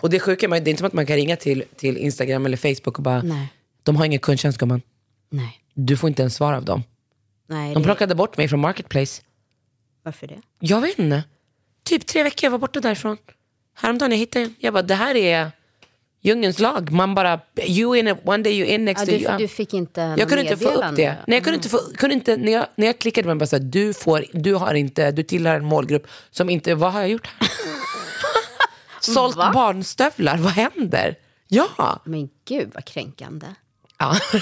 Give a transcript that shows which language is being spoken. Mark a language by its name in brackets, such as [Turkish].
[Swedish] Och det är sjukt, det är inte som att man kan ringa till Instagram eller Facebook och bara, nej. De har ingen kundtjänst, gumman. Nej. Du får inte ens svar av dem. Nej, de plockade bort mig från Marketplace. Varför det? Jag vet inte. Typ 3 veckor jag var borta därifrån. Häromdagen jag hittade. Jag bara, det här är djungens lag. Man bara, [English] you in it, one day you in next day. [Swedish] Du fick inte meddelande. Jag kunde inte få upp det. Nej, jag kunde inte få, kunde inte, när jag klickade på mig bara så här, du tillhör en målgrupp som inte, vad har jag gjort här? Sålt va? Barnstövlar, vad händer? Ja. Men gud, vad kränkande. Ja.